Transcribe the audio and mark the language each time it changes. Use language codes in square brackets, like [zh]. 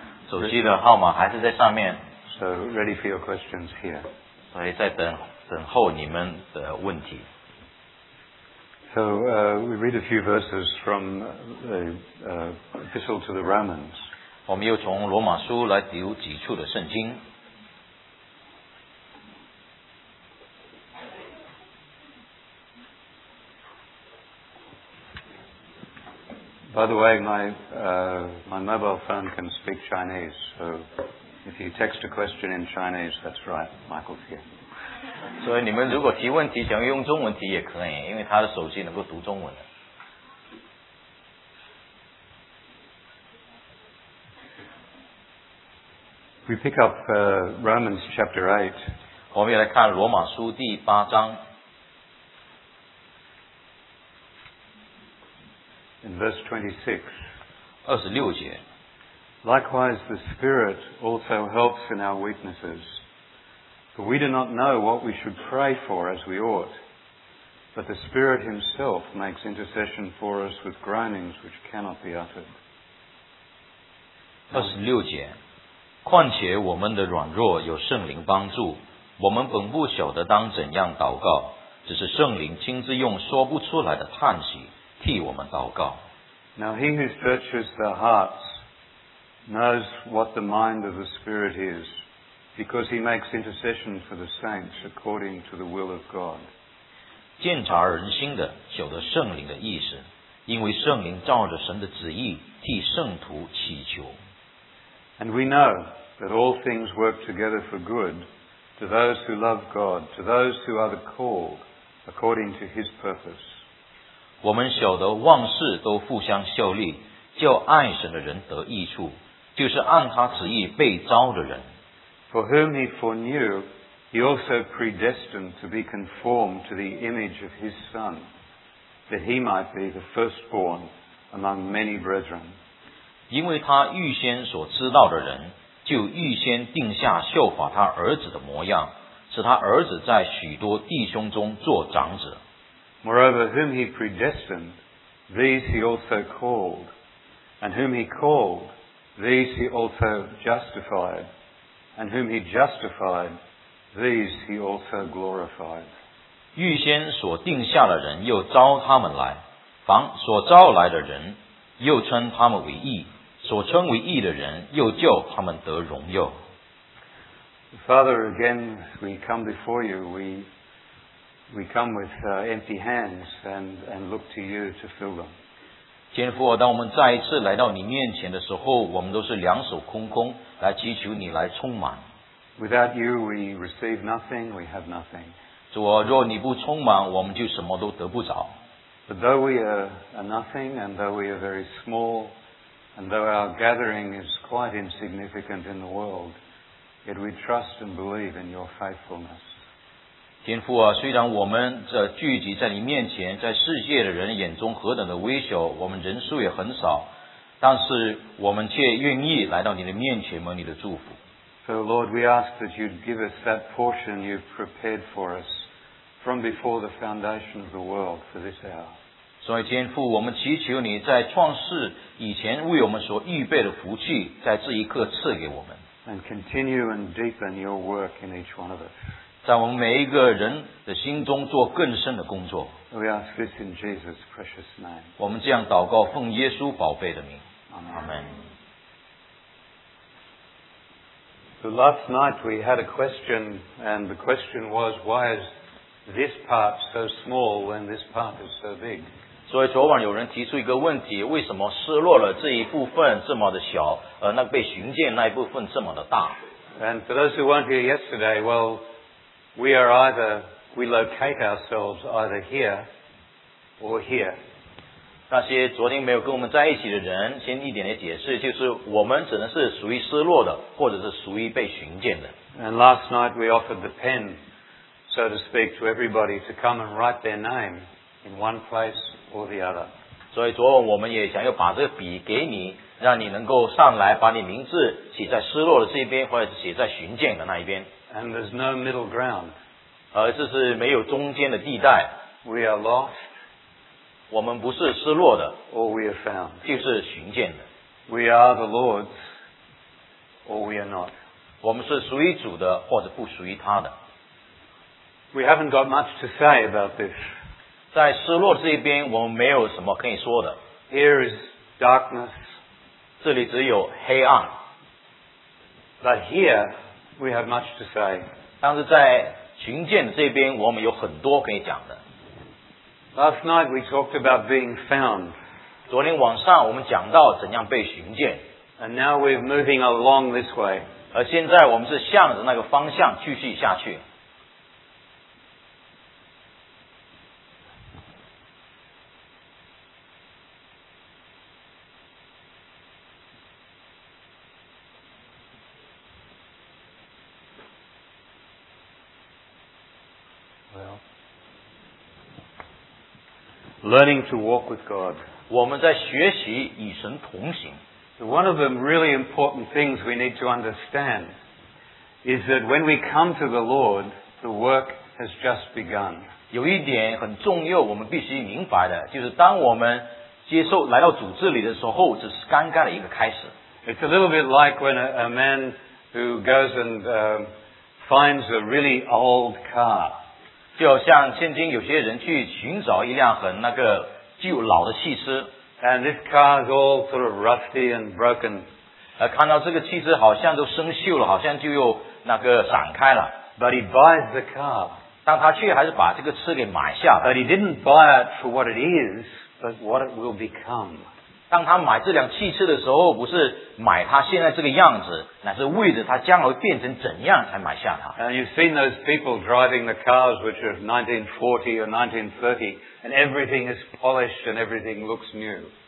[zh] 手机的号码还是在上面。 [en] So ready for your questions here. [zh] 所以在等候你们的问题。 [en] So we read a few verses from the Epistle to the Romans. [zh] 我们又从罗马书来读几处的圣经。 [en] By the way, my mobile phone can speak Chinese, so if you text a question in Chinese, that's right, Michael's here. [zh] 所以你们如果提问题想用中文提也可以，因为他的手机能够读中文的。 [en] We pick up Romans chapter 8. [zh] 我们来看罗马书第八章。 [en] In verse [zh] 26, 26节, [en] likewise the Spirit also helps in our weaknesses. For we do not know what we should pray for as we ought, but the Spirit himself makes intercession for us with groanings which cannot be uttered. [zh] 26节，况且我们的软弱有圣灵帮助，我们本不晓得当怎样祷告，只是圣灵亲自用说不出来的叹息替我们祷告。 [en] Now he who searches the hearts knows what the mind of the Spirit is, because he makes intercession for the saints according to the will of God. [zh] 鉴察人心的晓得圣灵的意思，因为圣灵照着神的旨意替圣徒祈求。 [en] And we know that all things work together for good to those who love God, to those who are the called according to his purpose. [zh] 我们晓得万事都互相效力，叫爱神的人得益处，就是按他旨意被召的人。 [en] For whom he foreknew, he also predestined to be conformed to the image of his Son, that he might be the firstborn among many brethren. [zh] 因为他预先所知道的人，就预先定下效法他儿子的模样，使他儿子在许多弟兄中做长子。 [en] Moreover, whom he predestined, these he also called. And whom he called, these he also justified. And whom he justified, these he also glorified. [zh] 预先所定下的人又招他们来，凡所招来的人又称他们为义，所称为义的人又叫他们得荣耀。 [en] Father, again, we come before you, We come with empty hands and look to you to fill them. [zh] 天父，当我们再一次来到你面前的时候，我们都是两手空空，来祈求你来充满。 [en] Without you, we receive nothing, we have nothing. [zh] 主啊，若你不充满，我们就什么都得不着。 [en] But though we are nothing, and though we are very small, and though our gathering is quite insignificant in the world, yet we trust and believe in your faithfulness. [zh] 天父啊，虽然我们这聚集在你面前，在世界的人眼中何等的微小，我们人数也很少，但是我们却愿意来到你的面前蒙你的祝福。 [en] So Lord, we ask that you'd give us that portion you prepared for us from before the foundation of the world for this hour. [zh] 所以天父，我们祈求你在创世以前为我们所预备的福气，在这一刻赐给我们。 [en] And continue and deepen your work in each one of us. [zh] 在我们每一个人的心中做更深的工作。 [en] We ask this in Jesus' precious name. [zh] 我们这样祷告，奉耶稣宝贝的名。 [en] Amen. So last night we had a question, and the question was, why is this part so small when this part is so big? [zh] 所以昨晚有人提出一个问题，为什么失落了这一部分这么的小，而那被寻见那一部分这么的大 [en] ？And for those who weren't here yesterday, well. We are either, we locate ourselves either here or here. [zh] 那些昨天没有跟我们在一起的人，先一点点解释，就是我们只能是属于失落的，或者是属于被寻见的。 [en] And last night we offered the pen, so to speak, to everybody to come and write their name in one place or the other. [zh] 所以昨晚我们也想要把这个笔给你，让你能够上来把你名字写在失落的这边，或者写在寻见的那一边。 [en] And there's no middle ground. [zh] 这是没有中间的地带。 [en] We are lost. [zh] 我们不是失落的 [en] or we are found. [zh] 就是寻见的 [en] We are the Lord's or we are not. [zh] 我们是属于主的或者不属于他的 [en] We haven't got much to say about this. [zh] 在失落这边我们没有什么可以说的 [en] Here is darkness. [zh] 这里只有黑暗 [en] But here we have much to say. [zh] 但是在寻见这边我们有很多可以讲的 [en] Last night we talked about being found. [zh] 昨天晚上我们讲到怎样被寻见 [en] And now we're moving along this way. [zh] 而现在我们是向着那个方向继续下去 [en] Well. Learning to walk with God. [zh] 我们在学习与神同行。 [en] One of the really important things we need to understand is that when we come to the Lord, the work has just begun. [zh] 有一点很重要我们必须明白的就是当我们接受来到主这里的时候这是刚刚的一个开始。 [en] It's a little bit like when a man who goes and finds a really old car. [zh] 就像现今有些人去寻找一辆很那个旧老的汽车 [en] And this car is all sort of rusty and broken [zh] 看到这个汽车好像都生锈了好像就又那个散开了 [en] But he buys the car [zh] 但他却还是把这个车给买下了 [en] But he didn't buy it for what it is but what it will become [zh] 当他买这辆汽车的时候不是买他现在这个样子乃是为着他将来变成怎样才买下他 [en] And you've seen those people driving the cars which are 1940 or 1930 and everything is polished and everything looks new